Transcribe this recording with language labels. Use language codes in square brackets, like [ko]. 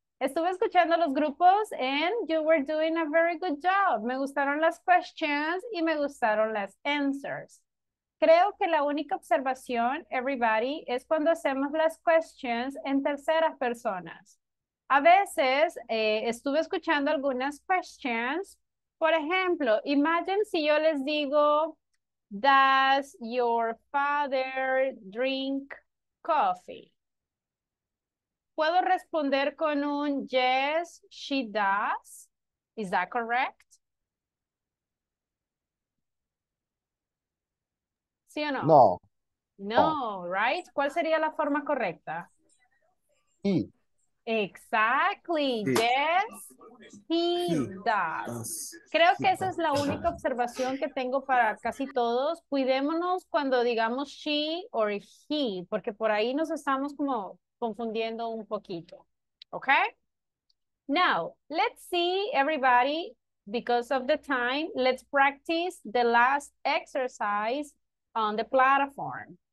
[es] Estuve escuchando los grupos [en] and you were doing a very good job. [es] Me gustaron las questions y me gustaron las answers. Creo que la única observación, everybody, es cuando hacemos las questions en terceras personas. A veces estuve escuchando algunas questions. Por ejemplo, imagine si yo les digo, [en] does your father drink coffee? [es] ¿Puedo responder con un [en] yes, she does? Is that correct? [es] ¿Sí o no? No. No, right? ¿Cuál sería la forma correcta? Sí. [en] Exactly. Sí. Yes, he does. [es] Creo que esa es la única observación que tengo para casi todos. Cuidémonos cuando digamos she or he, porque por ahí nos estamos como confundiendo un poquito, okay? [en] Now, let's see everybody, because of the time, let's practice the last exercise on the platform.